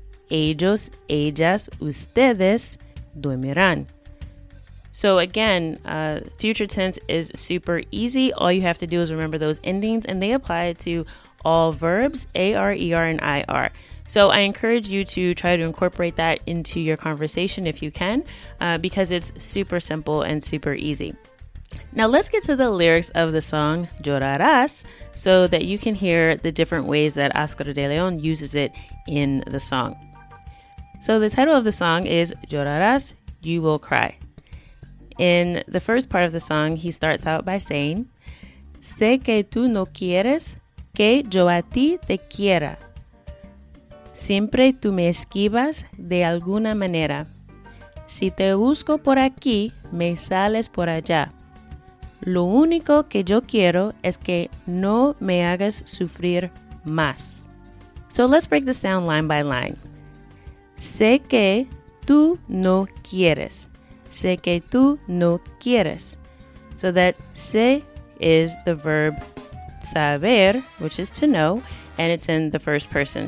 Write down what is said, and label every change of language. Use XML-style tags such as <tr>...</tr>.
<es>Ellos, ellas, ustedes dormirán.</es> <en>So again, future tense is super easy. All you have to do is remember those endings and they apply to all verbs, AR, ER, and IR. So I encourage you to try to incorporate that into your conversation if you can, because it's super simple and super easy. Now let's get to the lyrics of the song Llorarás so that you can hear the different ways that Oscar de León uses it in the song. So the title of the song is Llorarás, You Will Cry. In the first part of the song, he starts out by saying,</en> <es>Sé que tú no quieres que yo a ti te quiera. Siempre tú me esquivas de alguna manera. Si te busco por aquí, me sales por allá. Lo único que yo quiero es que no me hagas sufrir más.</es> <en>So let's break this down line by line.</en> <es>Sé que tú no quieres. Sé que tú no quieres.</es> <en>So that sé is the verb saber, which is to know, and it's in the first person.</en>